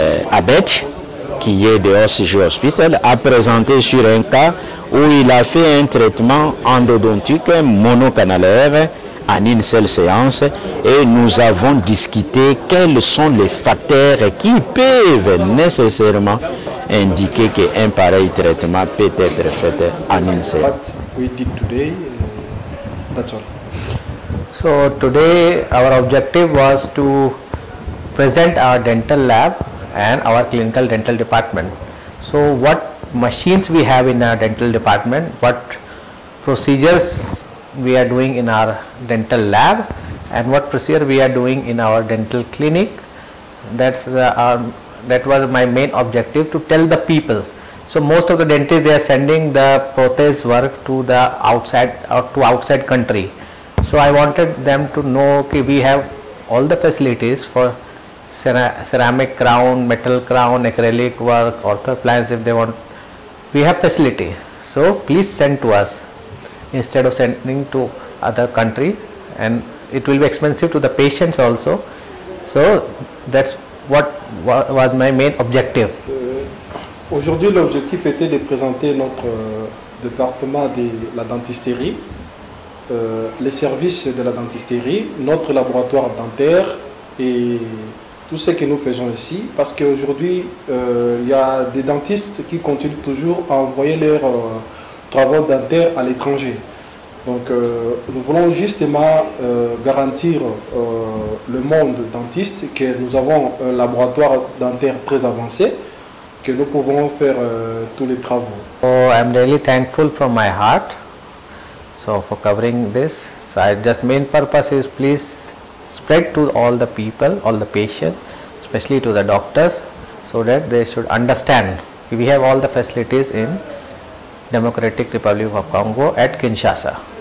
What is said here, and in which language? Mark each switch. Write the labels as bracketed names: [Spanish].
[French] Abed, qui est de OCG Hospital, a présenté sur un cas où il a fait un traitement endodontique monocanalaire en une seule séance et nous avons discuté quels sont les facteurs qui peuvent nécessairement indiquer qu'un pareil traitement peut être fait en une séance. [English] What we did today, that's all. So today our objective was to present our dental lab and our clinical dental department. So what machines we have in our dental department, what procedures we are doing in our dental lab, and what procedure we are doing in our dental clinic. That was my main objective, to tell the people. So most of the dentists, they are sending the prosthesis work to the outside or to outside country. So I wanted them to know, okay, we have all the facilities for ceramic crown, metal crown, acrylic work, orthoplans, if they want, we have facility. So please send to us instead of sending to other country, and it will be expensive to the patients also. So that's what was my main objective. [French] Aujourd'hui, l'objectif était de présenter notre département de la dentisterie, les services de la dentisterie, notre laboratoire dentaire et tout ce que nous faisons ici, parce qu'aujourd'hui, il y a des dentistes qui continuent toujours à envoyer leurs travaux dentaires à l'étranger. Donc, nous voulons justement garantir le monde dentiste que nous avons un laboratoire dentaire très avancé, que nous pouvons faire tous les travaux. [English] Oh, I'm really thankful from my heart, so for covering this. So, I just main purpose is please spread to all the people, all the patients, especially to the doctors, so that they should understand we have all the facilities in Democratic Republic of Congo at Kinshasa.